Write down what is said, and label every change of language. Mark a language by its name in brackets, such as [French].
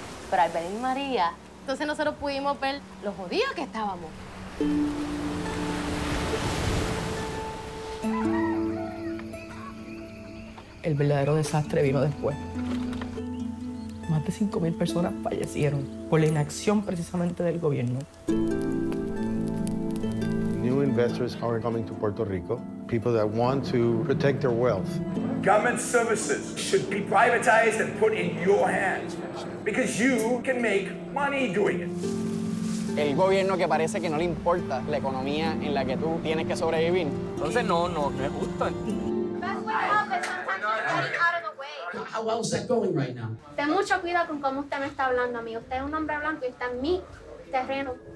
[Spanish] Pero al venir María, entonces nosotros pudimos ver lo jodidos que estábamos. El verdadero desastre vino después. Más de 5,000 personas fallecieron por la inacción precisamente del gobierno. [English] New investors are coming to Puerto Rico, people that want to protect their wealth. Government services should be privatized and put in your hands because you can make money doing it. [Spanish] El gobierno que parece que no le importa la economía en la que tú tienes que sobrevivir. Entonces no me gusta. [English] How well is that going right now? [Spanish] Ten mucho cuidado con cómo usted me está hablando a mí. Usted es un hombre blanco y está en mi terreno.